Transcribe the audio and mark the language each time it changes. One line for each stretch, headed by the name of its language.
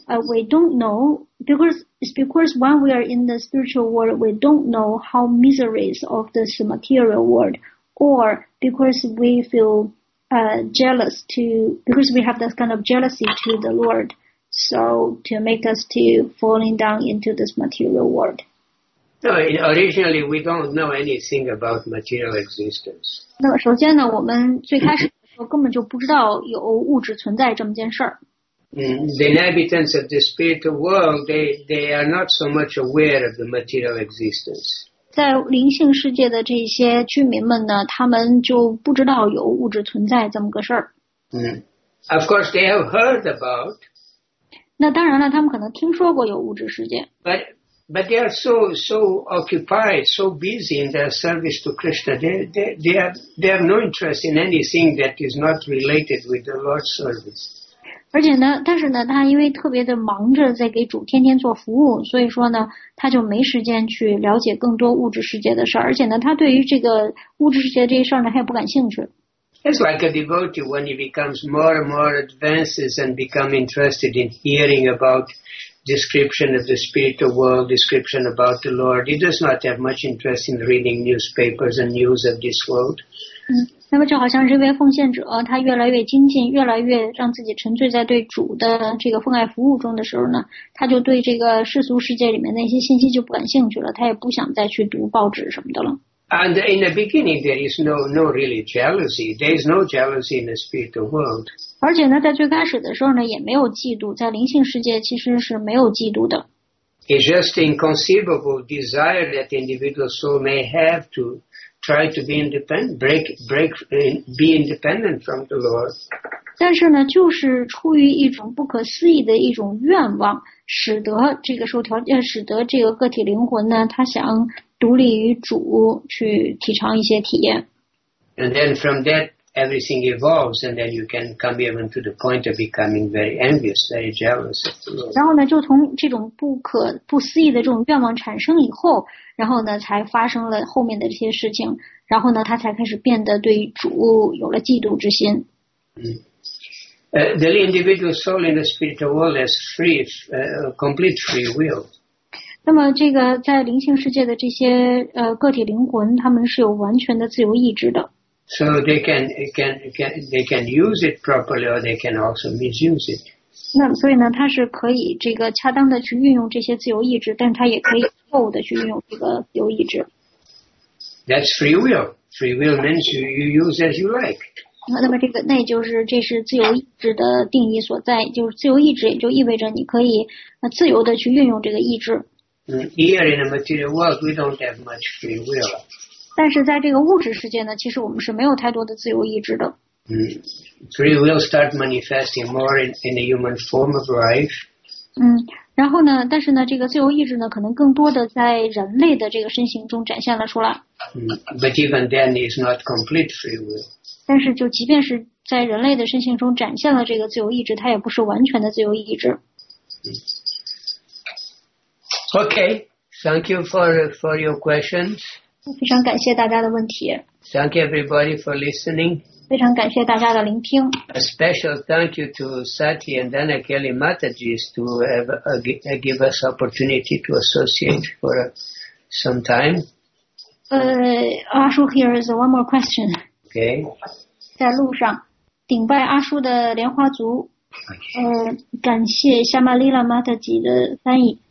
English: we don't know, because when we are in the spiritual world, we don't know how miseries of this material world, or because we feel jealous because we have this kind of jealousy to the Lord, so to make us to falling down into this material world. No, originally we don't know anything about material existence.
Chinese: 那么首先呢，我们最开始的时候根本就不知道有物质存在这么件事儿。
English: The inhabitants of the spiritual world, they are not so much aware of the material existence.
Chinese: 在灵性世界的这些居民们呢，他们就不知道有物质存在这么个事儿。
English: Of course, they have heard about.
Chinese: 那当然了，他们可能听说过有物质世界。
English: But they are so occupied, so busy in their service to Krishna. They have no interest in anything that is not related with the Lord's service.
Chinese: 而且呢，但是呢，他因为特别的忙着在给主天天做服务，所以说呢，他就没时间去了解更多物质世界的事儿。而且呢，他对于这个物质世界这事儿呢，他也不感兴趣。
English: It's like a devotee when he becomes more and more advanced and become interested in hearing about. Description of the spiritual world, description about the Lord. He does not have much interest in reading newspapers and news of this world.
Chinese: 那么就好像这位奉献者，他越来越精进，越来越让自己沉醉在对主的这个奉爱服务中的时候呢，他就对这个世俗世界里面那些信息就不感兴趣了，他也不想再去读报纸什么的了。
English: And in the beginning, there is no really jealousy. There is no jealousy in the spiritual world.
Chinese: 而且呢，在最开始的时候呢，也没有嫉妒，在灵性世界其实是没有嫉妒的。
English: It's just inconceivable desire that the individual soul may have to try to be independent, be independent from the Lord.
Chinese: 但是呢，就是出于一种不可思议的一种愿望，使得这个受条件，使得这个个体灵魂呢，他想。独立于主去体尝一些体验。
English: And then from that, everything evolves, and then you can come even to the point of becoming very envious, very jealous.
Chinese: 然后呢，就从这种不思议的这种愿望产生以后，然后呢，才发生了后面的这些事情，然后呢，他才开始变得对主有了嫉妒之心。嗯。
English: The individual soul in the spiritual world has free, complete free will.
Chinese: 那么这个在灵性世界的这些个体灵魂，他们是有完全的自由意志的。
English: So they can use it properly, or they can also misuse it.
Chinese: 那所以呢，他是可以这个恰当的去运用这些自由意志，但他也可以错误的去运用这个自由意志。
English: That's free will. Free will means you use as you like.
Chinese: 那么这个那就是这是自由意志的定义所在，就是自由意志也就意味着你可以自由的去运用这个意志。
English: Here in the material world, we don't have much free will.
Chinese: 但是在这个物质世界呢，其实我们是没有太多的自由意志的。
English: Free will start manifesting more in the human form of life.
Chinese: 然后呢，但是呢，这个自由意志呢，可能更多的在人类的这个身形中展现了出来。
English: But even then, it's not complete free will.
Chinese: 但是就即便是在人类的身形中展现了这个自由意志，它也不是完全的自由意志。
English: Okay, thank you for your questions.
Chinese: 非常感谢大家的问题。
English: Thank you everybody for listening.
Chinese: 非常感谢大家的聆听。
English: A special thank you to Sati and Dana Kelly Mataji to have give us opportunity to associate for some time. Ashu, here is one more question. Okay.
Chinese: 在路上，顶拜阿叔的莲花族。感谢夏玛丽拉玛特吉的翻译。